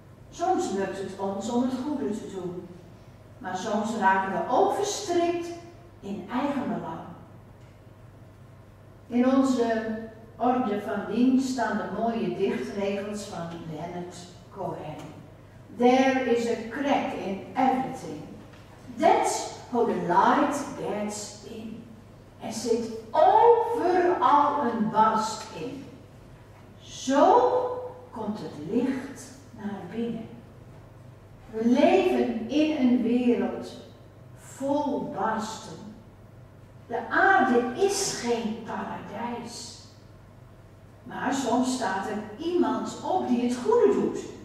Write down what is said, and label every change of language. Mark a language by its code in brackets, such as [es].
[nl] Soms lukt het ons om het goede te doen. Maar soms raken we ook verstrikt in eigen belang. In onze orde van dienst staan de mooie dichtregels van Leonard Cohen. [en] There is a crack in everything. That's how the light gets in. [nl] Er zit overal een barst in. Zo komt het licht naar binnen. We leven in een wereld vol barsten. De aarde is geen paradijs. Maar soms staat er iemand op die het goede doet.